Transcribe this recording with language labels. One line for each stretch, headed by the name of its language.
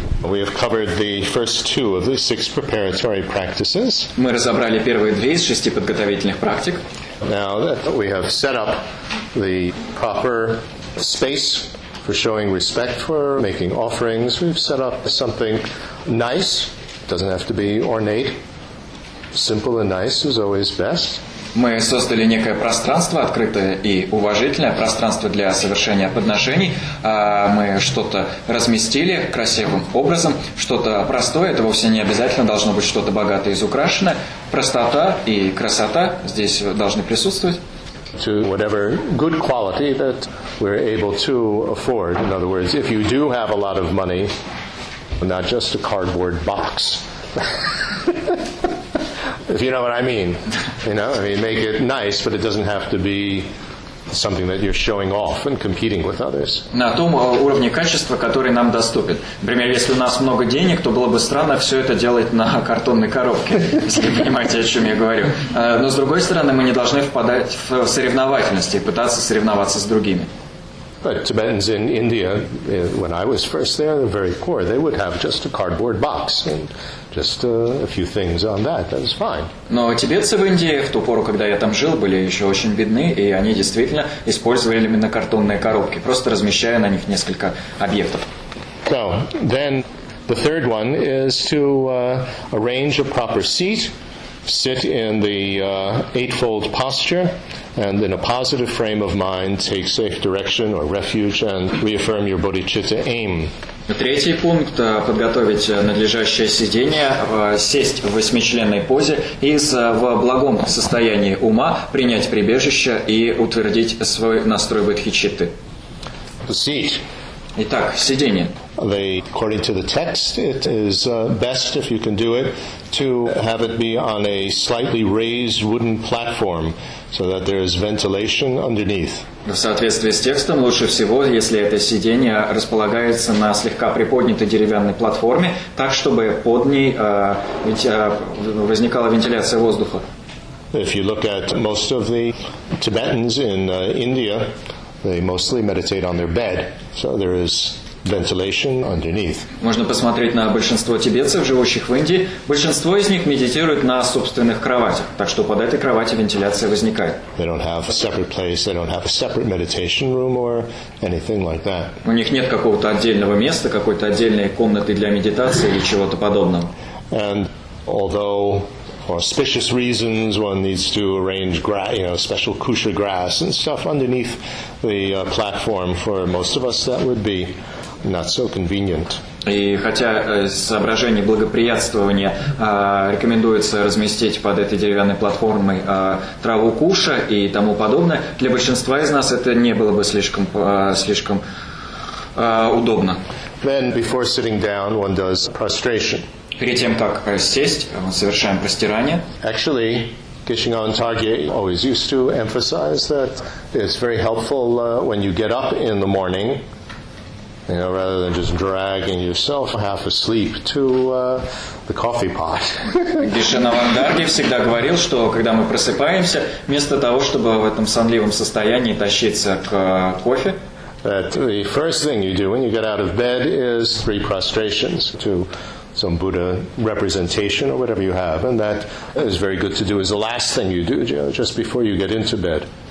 English: We have covered the first two of the six preparatory practices.
Russian: Мы разобрали первые две из шести подготовительных практик.
English: Now that we have set up the proper space for showing respect for making offerings, we've set up something nice. It doesn't have to be ornate. Simple and nice is always best.
Russian: Мы создали некое пространство, открытое и уважительное, пространство для совершения подношений. Мы что-то разместили красивым образом, что-то простое, это вовсе не обязательно должно быть что-то богатое и украшенное. Простота и красота здесь должны присутствовать.
English: To whatever good quality that we're able to afford. In other words, if you do have a lot of money, not just a cardboard box. If you know what I mean, you know, I mean, make it nice, but it doesn't have to be something that you're showing off and competing with others.
Russian: На том уровне качества, который нам доступен. Например, если у нас много денег, то было бы странно все это делать на картонной коробке, если вы понимаете, о чем я говорю. Но с другой стороны, мы не должны впадать в соревновательности и пытаться соревноваться с другими.
English: But Tibetans in India, when I was first there, the very core, they would have just a cardboard box and just a few things on that. That was fine.
Russian: Но тибетцы в Индии в ту пору, когда я там жил, были еще очень бедны, и они действительно использовали именно картонные коробки, просто размещая на них несколько объектов.
English: So then, the third one is to arrange a proper seat, sit in the eightfold posture. And in a positive frame of mind, take safe direction or refuge and reaffirm your bodhicitta aim.
Russian: Третий пункт – подготовить надлежащее сидение, сесть в восьмичленной позе и в благом состоянии ума принять прибежище и утвердить свой настрой бодхичитты.
English: Seat.
Russian: Итак, сидение.
English: According to the text, it is best if you can do it to have it be on a slightly raised wooden platform, so that there is ventilation underneath.
Russian: В соответствии с текстом, лучше всего, если это сиденье располагается на слегка приподнятой деревянной платформе, так чтобы под ней возникала вентиляция воздуха.
English: If you look at most of the Tibetans in India, they mostly meditate on their bed, so there is ventilation underneath.
Russian: Можно посмотреть на большинство тибетцев, живущих в Индии. Большинство из них медитируют на собственных кроватях, так что под этой кроватью вентиляция возникает.
English: They don't have a separate place, they don't have a separate meditation room or anything like that.
Russian: У них нет какого-то отдельного места, какой-то отдельной комнаты для медитации или чего-то подобного.
English: And although for auspicious reasons one needs to arrange special kusha grass and stuff underneath the platform, for most of us that would be not so convenient.
Russian: И хотя соображение благоприятствования рекомендуется разместить под этой деревянной платформой траву куша и тому подобное, для большинства из нас это не было бы слишком удобно.
English: Then before sitting down one does prostration.
Russian: Перед тем как сесть, мы совершаем простирание.
English: Actually, Geshe-gon Tarje always used to emphasize that it's very helpful when you get up in the morning, you know, rather than just dragging yourself half asleep to the coffee pot.
Russian: Geshe-gon Tarje всегда говорил, что когда мы просыпаемся, вместо того, чтобы в этом сонливом состоянии тащиться к кофе,
English: that the first thing you do when you get out of bed is three prostrations to some Buddha representation or whatever you have, and that is very good to do as the last thing you do, you know, just before you get into bed.